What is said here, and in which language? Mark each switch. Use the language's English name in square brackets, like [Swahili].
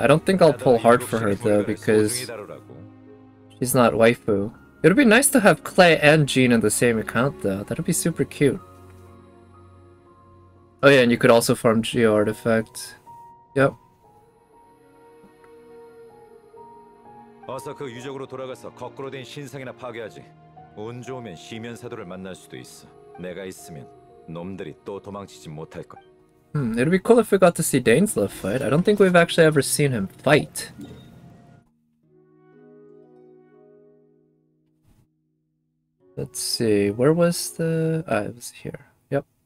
[English] I don't think I'll pull hard for her though, because she's not waifu. It would be nice to have Clay and Jean in the same account though. That would be super cute. Oh yeah, and you could also farm Geo Artifact. Yep. [Korean] 어서 그 유적으로 돌아가서 거꾸로 된 신상이나 파괴하지. 운 좋으면 시면 사도를 만날 수도 있어. 내가 있으면 놈들이 또 도망치지 못할 것. [English] It'd be cool if we got to see Dainsleif fight. I don't think we've actually ever seen him fight. Let's see. Where was the? Ah, it was here. Yep.